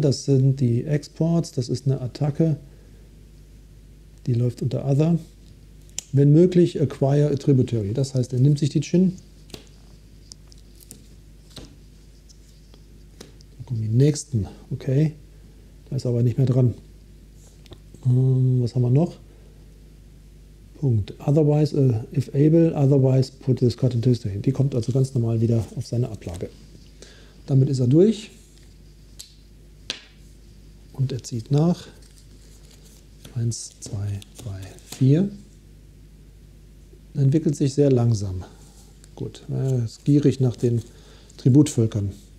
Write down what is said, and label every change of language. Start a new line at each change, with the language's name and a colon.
German: Das sind die Exports. Das ist eine Attacke. Die läuft unter Other. Wenn möglich,
English: acquire a tributary.
German: Das heißt, er nimmt sich die Chin. Dann kommen die nächsten. Okay. Da ist aber nicht mehr dran. Was haben wir noch? Punkt.
English: Otherwise, if able, otherwise put this card into history.
German: Die kommt also ganz normal wieder auf seine Ablage. Damit ist er durch. Und er zieht nach. 1, 2, 3, 4. Entwickelt sich sehr langsam. Gut, er ist gierig nach den Tributvölkern.